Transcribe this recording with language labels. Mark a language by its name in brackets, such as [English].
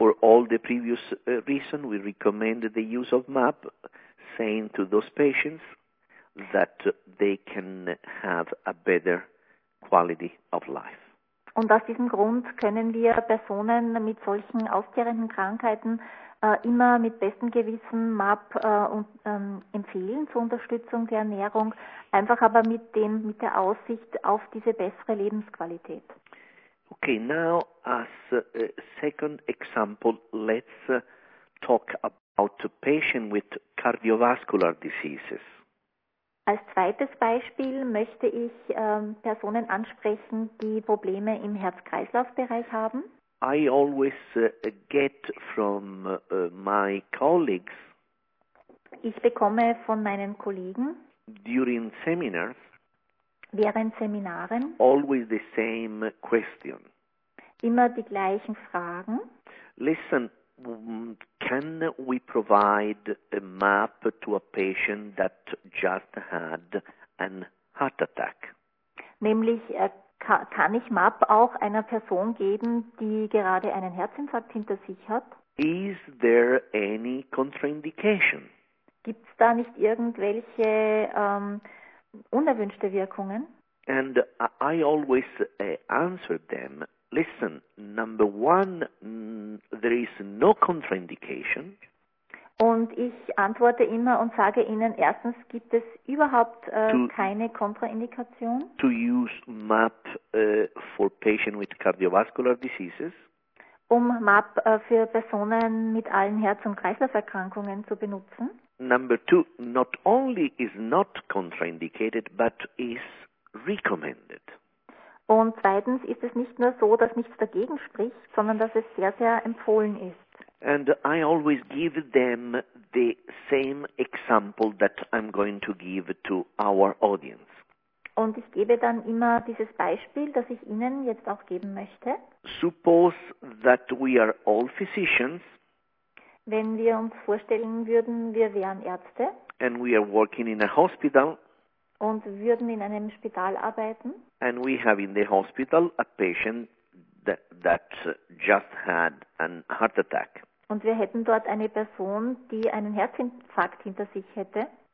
[English] For all the previous reason, we recommend the use of MAP, saying to those patients that they can have a better quality of life. [German] Und aus diesem Grund können wir Personen mit solchen ausgerechneten Krankheiten immer mit bestem Gewissen MAP und empfehlen zur Unterstützung der Ernährung, einfach aber mit der Aussicht auf diese bessere Lebensqualität. [English] Okay, now as a second example, let's talk about a patient with cardiovascular diseases. [German] Als zweites Beispiel möchte ich Personen ansprechen, die Probleme im Herz-Kreislauf-Bereich haben. [English] I always get from my colleagues. [German] Ich bekomme von meinen Kollegen. [English] During seminars. [German] Während Seminaren. [English] Always the same question. [German] Immer die gleichen Fragen. [English] Listen, can we provide a MAP to a patient that just had an heart attack? [German] Nämlich kann ich MAP auch einer Person geben, die gerade einen Herzinfarkt hinter sich hat? [English] Is there any contraindication? [German] Gibt es da nicht irgendwelche unerwünschte Wirkungen? [English] And I always answer them, listen, number one, there is no contraindication. [German] Und ich antworte immer und sage Ihnen, erstens gibt es überhaupt keine Kontraindikation. [English] To use MAP for patients with cardiovascular diseases. [German] Um MAP für Personen mit allen Herz- und Kreislauferkrankungen zu benutzen. [English] Number two, not only is not contraindicated, but is recommended. [German] Und zweitens ist es nicht nur so, dass nichts dagegen spricht, sondern dass es sehr, sehr empfohlen ist. [English] And I always give them the same example that I'm going to give to our audience. [German] Und ich gebe dann immer dieses Beispiel, das ich Ihnen jetzt auch geben möchte. [English] Suppose that we are all physicians. [German] Wenn wir uns vorstellen würden, wir wären Ärzte. [English] And we are working in a hospital. [German] Und würden in einem Spital arbeiten. [English] And we have in the hospital a patient that just had an heart attack. [German] Und wir hätten dort eine Person, die einen Herzinfarkt hinter sich hätte.